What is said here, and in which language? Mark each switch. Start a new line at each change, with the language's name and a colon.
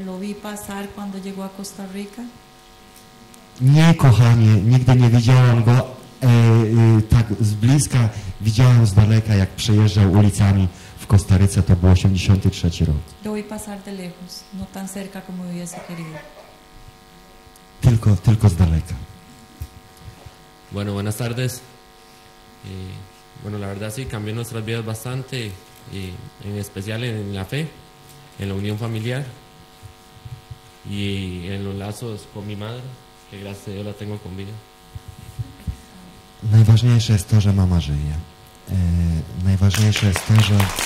Spanish: Lo vi pasar cuando llegó a Costa Rica.
Polish: Nie, kochanie, nigdy nie widziałam go tak z bliska. Widziałam z daleka, jak przejeżdżał ulicami w Kostaryce. To był 83 rok.
Spanish: Lo vi pasar de lejos, no tan cerca como hubiese querido.
Polish: Tylko z daleka.
Spanish: Bueno, buenas tardes. Bueno, la verdad sí, cambió nuestras vidas bastante. Y en especial en la fe, en la unión familiar y en los lazos con mi madre, que gracias a Dios la tengo con vida.
Polish: Najważniejsze jest to, że mama żyje. Najważniejsze jest to, że...